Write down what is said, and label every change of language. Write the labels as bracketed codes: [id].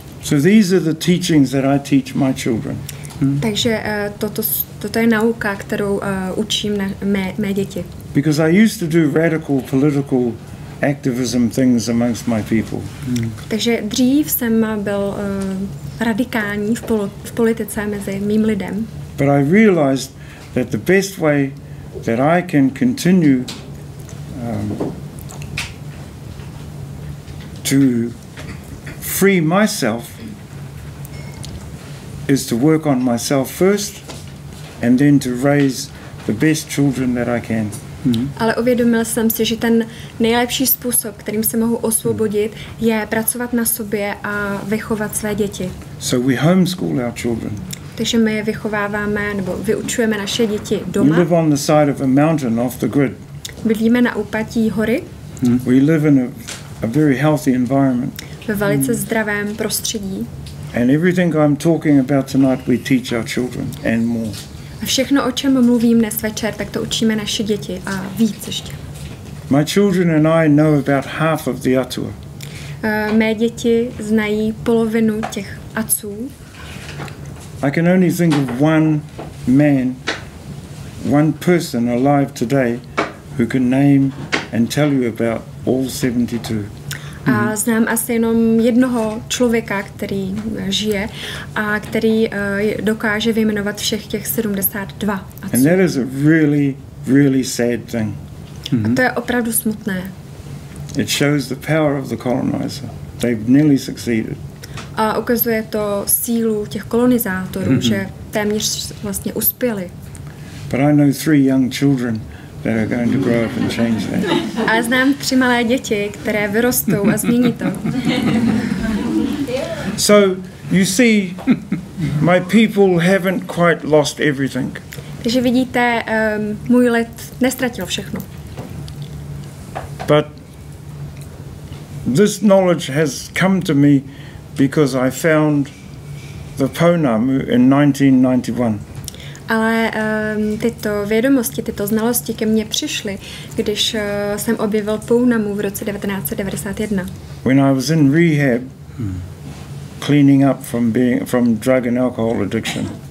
[en] So these are the teachings that I teach my children. [cs] Takže toto je nauka, kterou učím mé děti. [en] Because I used to do radical political activism things amongst my people. [cs] Takže dřív jsem byl radikální v politice mezi mým lidem. [en] But I realized that the best way that I can continue to free myself is to work on myself first and then to raise the best children that I can. [cs] Ale uvědomil jsem si, že ten nejlepší způsob, kterým se mohu osvobodit, je pracovat na sobě a vychovat své děti. [en] So we homeschool our children. [cs] Takže my je vychováváme nebo vyučujeme naše děti doma. [en] We live on the side of a mountain off the grid. [cs] Bydlíme na úpatí hory. [en] We live in a very healthy environment. [cs] Ve velice zdravém prostředí. [en] And everything I'm talking about tonight we teach our children and more. [cs] A všechno, o čem mluvím dnes večer, tak to učíme naše děti a víc ještě. [en] My children and I know about half of the atua. [cs] Mé děti znají polovinu těch atuů. [en] I can only think of one man, one person alive today who can name and tell you about all 72. [cs] A znám asi jenom jednoho člověka, který žije a který dokáže vyjmenovat všech těch 72. [en] And that is a really, really sad thing. [cs] A to je opravdu smutné. [en] It shows the power of the colonizer. They've nearly succeeded. [cs] A ukazuje to sílu těch kolonizátorů, že téměř vlastně uspěli. [en] But I know three young children that are going to grow up and change that. [cs] A znám tři malé děti, které vyrostou a změní to. [en] So you see, my people haven't quite lost everything. [cs] Takže vidíte, můj lid neztratil všechno. [en] But this knowledge has come to me because I found the Ponamu in 1991. [cs] Ale tyto vědomosti, tyto znalosti ke mně přišly, když jsem objevil Ponamu v roce 1991. [en] When I was in rehab, cleaning up from being from drug and alcohol addiction.